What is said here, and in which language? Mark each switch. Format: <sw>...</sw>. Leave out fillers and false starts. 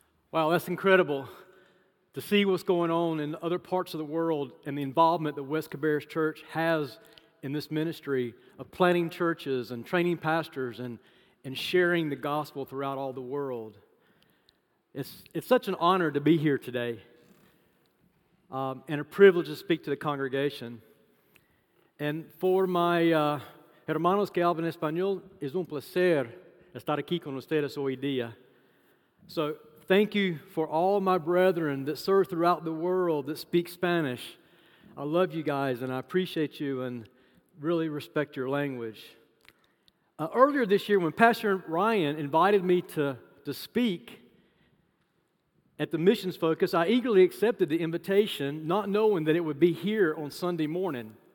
<en>Wow, that's incredible to see what's going on in other parts of the world and the involvement that West Cabarrus Church has in this ministry of planting churches and training pastors and sharing the gospel throughout all the world. It's such an honor to be here today and a privilege to speak to the congregation. And for my</en> <es>hermanos que hablan español, es un placer estar aquí con ustedes hoy día.</es> <en>So, thank you for all my brethren that serve throughout the world that speak Spanish. I love you guys and I appreciate you and really respect your language. Earlier this year, when Pastor Ryan invited me to speak at the Missions Focus, I eagerly accepted the invitation, not knowing that it would be here on Sunday morning.</en>